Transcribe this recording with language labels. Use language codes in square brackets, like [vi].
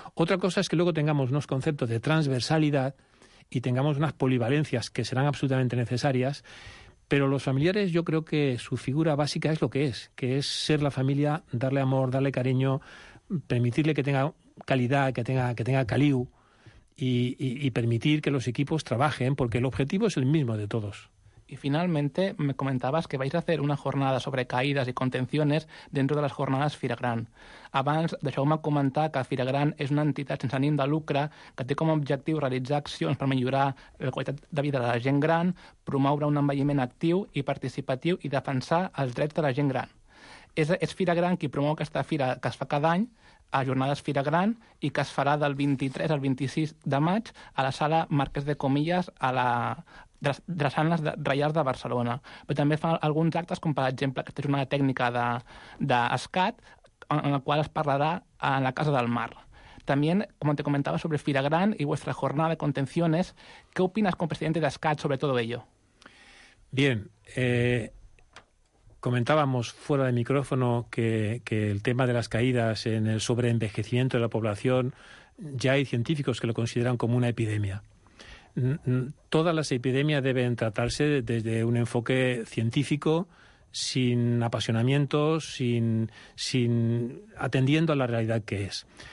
[es] Otra cosa es que luego tengamos unos conceptos de transversalidad y tengamos unas polivalencias que serán absolutamente necesarias, pero los familiares yo creo que su figura básica es lo que es ser la familia, darle amor, darle cariño, permitirle que tenga calidad, que tenga caliu y permitir que los equipos trabajen, porque el objetivo es el mismo de todos. Y finalmente me comentabas que vais a hacer una jornada sobre caídas y contenciones dentro de las jornadas Firagran. [ca] Abans, deixeu-me comentar que Firagran és una entitat sense ànim de lucre que té com a objectiu realitzar accions per millorar la qualitat de vida de la gent gran, promoure un envelliment actiu i participatiu i defensar els drets de la gent gran. És Firagran qui promou aquesta fira que es fa cada any, a Jornades Firagran, i que es farà del 23 al 26 de maig a la sala Marquès de Comillas de les Reials de Barcelona. Però també fan alguns actes, com per exemple aquesta jornada tècnica d'ESCAT, en la qual es parlarà a la Casa del Mar. També, com te comentava, sobre Firagran i vostra jornada de contenciones, què opines com president d'ESCAT sobre tot això? [es] Bien, comentábamos fuera de micrófono que el tema de las caídas en el sobreenvejecimiento de la población, ya hay científicos que lo consideran como una epidemia. Todas las epidemias deben tratarse desde un enfoque científico, sin apasionamientos, sin atendiendo a la realidad que es.